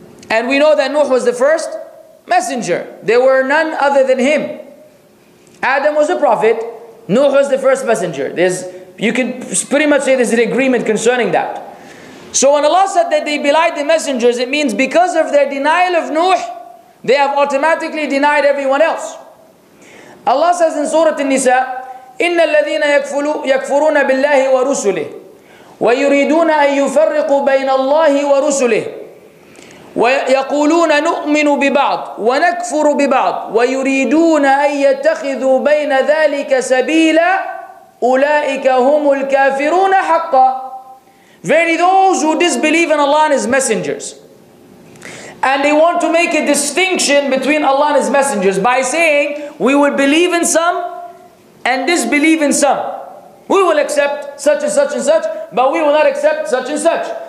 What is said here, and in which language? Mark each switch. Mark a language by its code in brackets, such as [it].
[en] And we know that Nuh was the first messenger. There were none other than him. Adam was a prophet. Nuh was the first messenger. You can pretty much say there's an agreement concerning that. So when Allah said that they belied the messengers, it means because of their denial of Nuh, they have automatically denied everyone else. Allah says in Surah An-Nisa, [ar] إِنَّ الَّذِينَ يَكْفُرُونَ بِاللَّهِ وَرُسُلِهِ وَيُرِيدُونَ أَن يُفَرِّقُوا بَيْنَ اللَّهِ وَرُسُلِهِ وَيَقُولُونَ نُؤْمِنُ بِبَعْضٍ وَنَكْفُرُ بِبَعْضٍ وَيُرِيدُونَ أَن يَتَّخِذُوا بَيْنَ ذَلِكَ سَبِيلًا أُولَٰئِكَ هُمُ الْكَافِرُونَ حَقًّا. [en] Verily those who disbelieve in Allah and His messengers, and they want to make a distinction between Allah and His messengers by saying, we will believe in some and disbelieve in some. We will accept such and such and such, but we will not accept such and such.